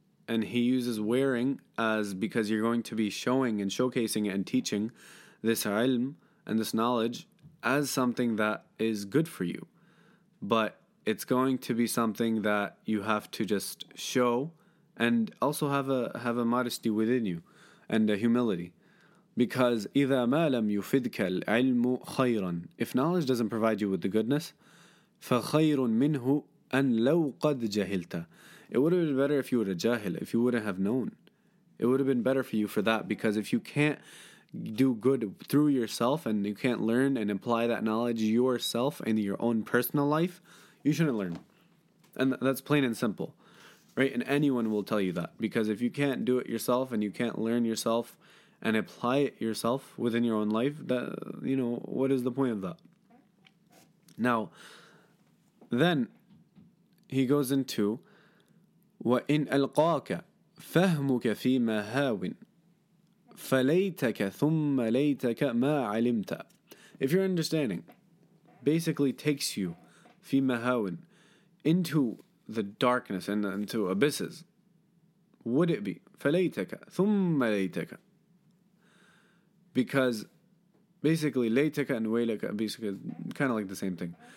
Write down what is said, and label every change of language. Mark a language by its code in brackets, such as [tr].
[en] And he uses wearing as because you're going to be showing and showcasing and teaching this ilm and this knowledge as something that is good for you. But it's going to be something that you have to just show and also have a modesty within you and a humility. [ar] Because إذا ما لم يفدك العلم خيرا, [en] if knowledge doesn't provide you with the goodness, [ar] فخير منه أن لو قد جهلت. [en] It would have been better if you were a jahil, if you wouldn't have known. It would have been better for you for that, because if you can't do good through yourself and you can't learn and apply that knowledge yourself in your own personal life, you shouldn't learn. And that's plain and simple, right? And anyone will tell you that, because if you can't do it yourself and you can't learn yourself and apply it yourself within your own life, that, you know, what is the point of that? Now, then he goes into, [ar] وَإِنْ أَلْقَاكَ فَهْمُكَ فِي مَهَاوٍ فَلَيْتَكَ ثُمَّ لَيْتَكَ مَا عَلِمْتَ. [en] If your understanding basically takes you [ar] فِي مَهَاوٍ [en] into the darkness and into abysses, would it be [ar] فَلَيْتَكَ ثُمَّ لَيْتَكَ? [en] Because basically لَيْتَكَ and وَيْلَكَ basically kind of like the same thing.